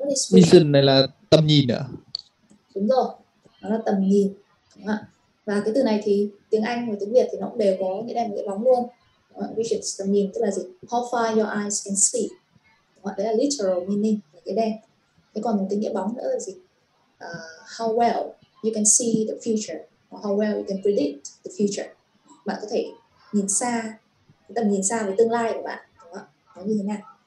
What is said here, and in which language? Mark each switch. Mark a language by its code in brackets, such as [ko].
[vi] Vision này là tầm nhìn à? Đúng rồi, nó là tầm nhìn, đúng không ạ? Và cái từ này thì tiếng Anh và tiếng Việt thì nó cũng đều có nghĩa đen nghĩa bóng luôn. Vision tầm nhìn tức là gì? [en] How far your eyes can see, [vi] đúng không? Đấy là literal meaning là cái đen. Thế còn tiếng nghĩa bóng nữa là gì? [en] How well you can see the future, or how well you can predict the future. [vi] Bạn có thể nhìn xa, tầm nhìn xa về tương lai của bạn, đúng không ạ? Nó như thế nào?